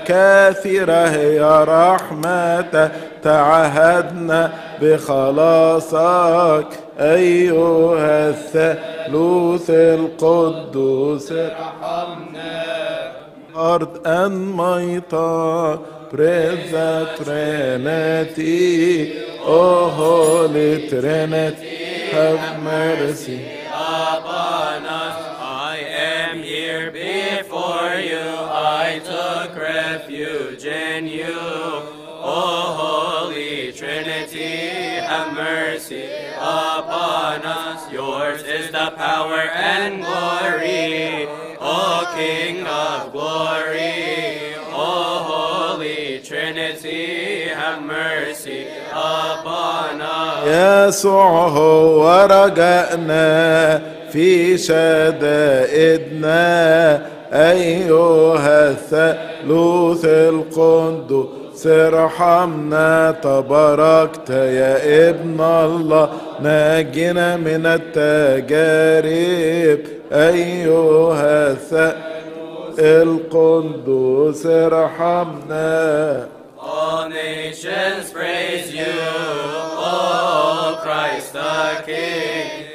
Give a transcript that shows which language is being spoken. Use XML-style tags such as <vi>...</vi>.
<ar>كثيرة هي رحمتك تعهدنا بخلاصك أيها الثالوث القدوس ارحمنا.</ar> <en>أرض أنميطة Praise the Trinity, O Holy Trinity, have mercy upon us. I am here before you, I took refuge in you. O Holy Trinity, have mercy upon us. Yours is the power and glory, O King of glory.</en> <ar>يسوع هو رجائنا في شدائدنا أيها الثالوث القدوس ارحمنا. تباركت يا ابن الله ناجنا من التجارب أيها الثالوث القدوس ارحمنا.</ar> <en>All nations praise you, O Christ the King.</en>